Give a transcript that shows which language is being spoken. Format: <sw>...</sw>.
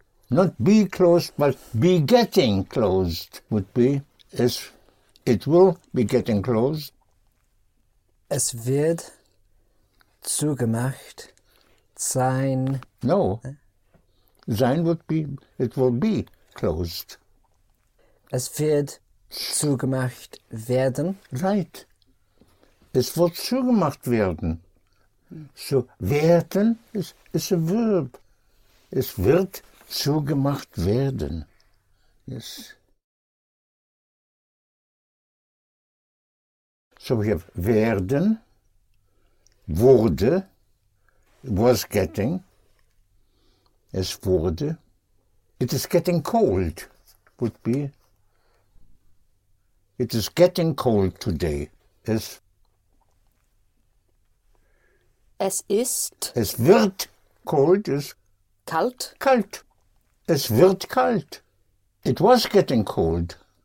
<en>Not be closed, but be getting closed would be. It will be getting closed.</en> <de>Es wird zugemacht sein.</de> <en>No. Sein would be, it will be closed.</en> <de>Es wird zugemacht werden.</de> <en>Right.</en> <de>Es wird zugemacht werden.</de> <en>So, werden is a verb.</en> <de>Es wird zugemacht werden. Yes.</de> <en>So we have werden, wurde, was getting, es wurde. It is getting cold, would be. It is getting cold today.</en> <de>Es wird</de> <en>cold is</en> <de>kalt. Kalt. Es wird kalt.</de> <en>It was getting cold.</en>